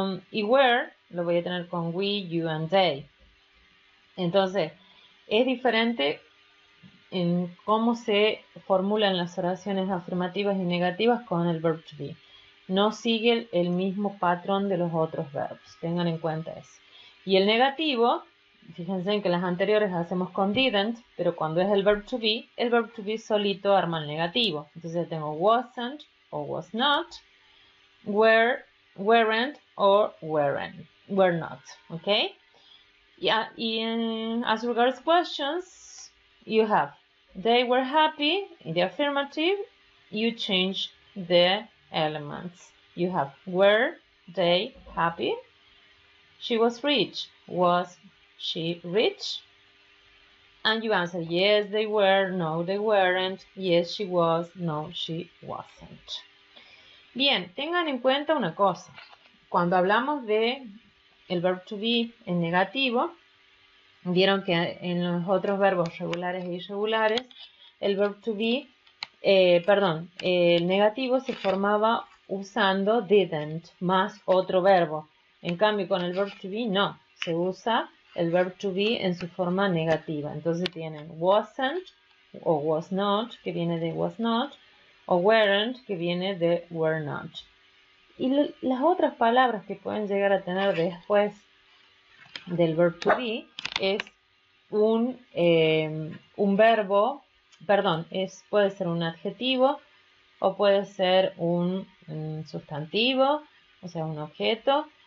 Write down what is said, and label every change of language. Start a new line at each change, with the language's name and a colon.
Spanish: Y were, lo voy a tener con we, you, and they. Entonces, es diferente en cómo se formulan las oraciones afirmativas y negativas con el verb to be. No sigue el mismo patrón de los otros verbos. Tengan en cuenta eso. Y el negativo, fíjense en que las anteriores hacemos con didn't, pero cuando es el verb to be solito arma el negativo. Entonces tengo wasn't o was not, weren't o were not. Okay?
English: Yeah, as regards questions, you have they were happy in the affirmative, you change the elements. You have were they happy? She was rich. Was she rich? And you answer yes they were, no they weren't, yes she was, no she wasn't.
Spanish: Bien, tengan en cuenta una cosa. Cuando hablamos de el verb to be en negativo, vieron que en los otros verbos regulares e irregulares, el verb to be, el negativo se formaba usando didn't más otro verbo. En cambio, con el verb to be no, se usa el verb to be en su forma negativa. Entonces tienen wasn't o was not, que viene de was not, o weren't, que viene de were not. Y las otras palabras que pueden llegar a tener después del verb to be es un verbo, perdón, puede ser un adjetivo o puede ser un sustantivo, o sea, un objeto.